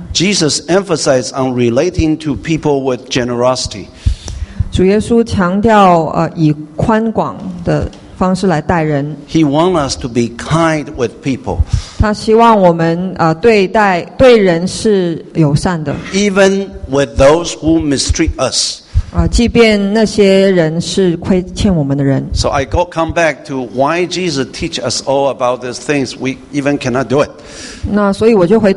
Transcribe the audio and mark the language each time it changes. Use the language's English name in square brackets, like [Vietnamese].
[English] Jesus emphasized on relating to people with generosity. [Chinese] 主耶稣强调, 以宽广的方式来待人。 [English] He wants us to be kind with people. [Chinese] 他希望我们, 对人是友善的。 [English] Even with those who mistreat us. [Chinese] 即便那些人是亏欠我们的人。 [English] So I go come back to why Jesus teach us all about these things, we even cannot do it.